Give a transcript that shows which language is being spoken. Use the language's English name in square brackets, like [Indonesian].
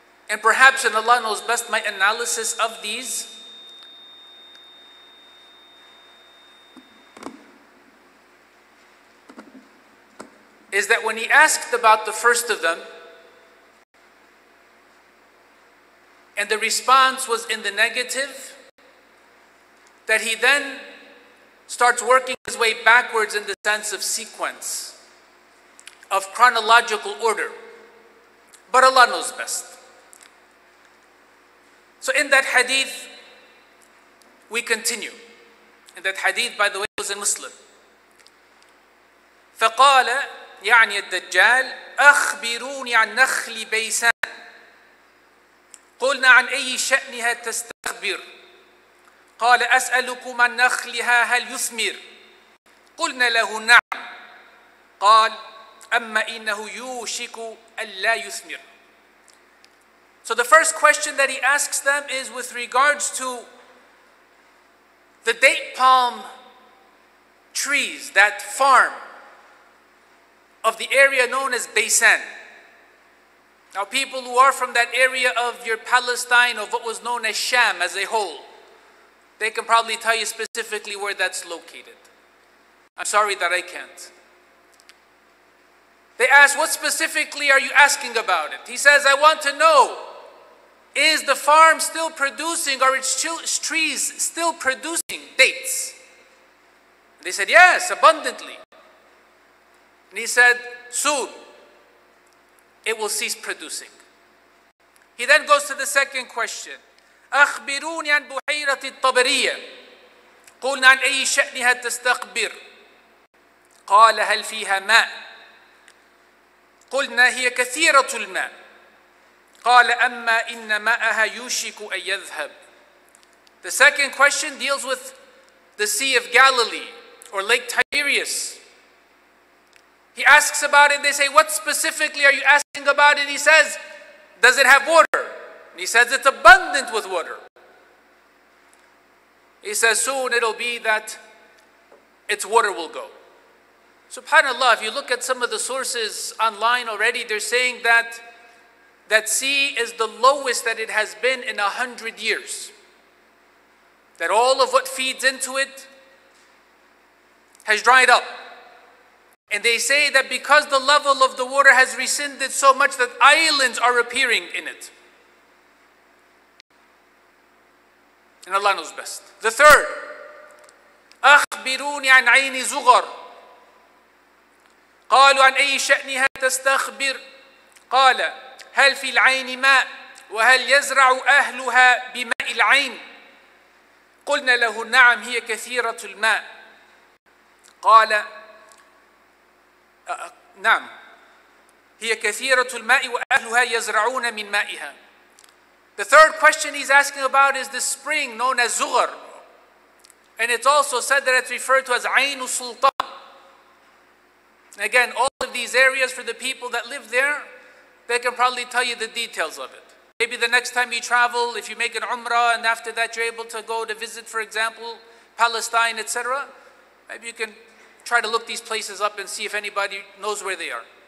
[English] And perhaps, and Allah knows best, my analysis of these, is that when he asked about the first of them, and the response was in the negative, that he then starts working his way backwards in the sense of sequence, of chronological order. But Allah knows best. So in that hadith, we continue. And that hadith, by the way, was in Muslim. [Arabic] فَقَالَ يعني الدجال أخبروني عن نخل بيسان قلنا عن أي شأنها تستخبر قال أسألكم عن نخلها هل يثمر قلنا له نعم قال أما إنه يوشك ألا يثمر. [English] So the first question that he asks them is with regards to the date palm trees, that farm of the area known as Baysan. Now, people who are from that area of your Palestine, of what was known as Sham as a whole, they can probably tell you specifically where that's located. I'm sorry that I can't. They ask, what specifically are you asking about it? He says, I want to know, is the farm still producing, are its trees still producing dates? They said, yes, abundantly. And he said, soon, it will cease producing. He then goes to the second question. [Arabic] أخبروني عن بحيرة الطبرية. قلنا عن أي شأنها تستقبر. قال هل فيها ماء؟ قلنا هي كثيرة الماء. قال أما إن ماءها يوشك أن يذهب. [English] The second question deals with the Sea of Galilee or Lake Tiberias. He asks about it. They say, what specifically are you asking about it? He says, does it have water? And he says, it's abundant with water. He says, soon it'll be that its water will go. Subhanallah, if you look at some of the sources online already, they're saying that that sea is the lowest that it has been in 100 years. That all of what feeds into it has dried up. And they say that because the level of the water has receded so much that islands are appearing in it. And Allah knows best. The third, [Arabic] أخبروني عن عين زغر. قالوا عن أي شأنها تستخبر. قال هل في العين ماء وهل يزرع أهلها بماء العين. قلنا له نعم هي كثيرة الماء. قال نعم هي كثيرة الماء وأهلها يزرعون من مائها. [English] The third question he's asking about is the spring known as Zughar. And it's also said that it's referred to as Ain Sultan. Again, all of these areas for the people that live there, they can probably tell you the details of it. Maybe the next time you travel, if you make an Umrah and after that you're able to go to visit, for example, Palestine, etc., maybe you can try to look these places up and see if anybody knows where they are.